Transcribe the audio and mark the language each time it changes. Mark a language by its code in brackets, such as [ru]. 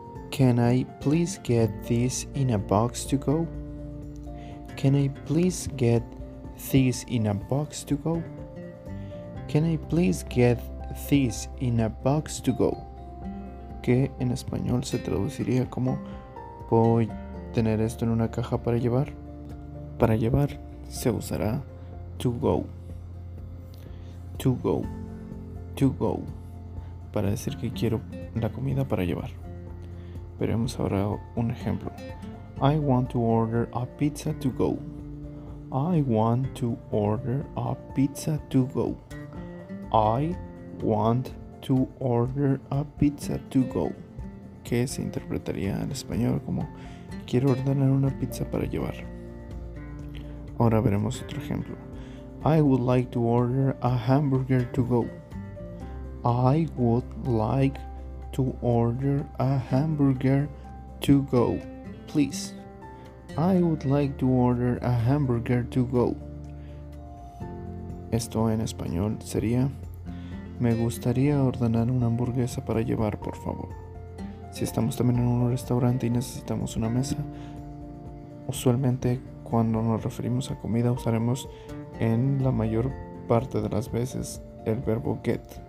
[en] Can I please get this in a box to go? Can I please get this in a box to go? Can I please get this in a box to go? [es] Que en español se traduciría como ¿puedo tener esto en una caja para llevar? Para llevar se usará [en] to go. To go. To go. [es] Para decir que quiero la comida para llevar. Veremos ahora un ejemplo. [en] I want to order a pizza to go. I want to order a pizza to go. I want to order a pizza to go. [es] Que se interpretaría en español como quiero ordenar una pizza para llevar. Ahora veremos otro ejemplo. [en] I would like to order a hamburger to go. I would like to order a hamburger to go, please. I would like to order a hamburger to go. [es] Esto en español sería, me gustaría ordenar una hamburguesa para llevar, por favor. Si estamos también en un restaurante y necesitamos una mesa, usualmente cuando nos referimos a comida usaremos en la mayor parte de las veces el verbo get.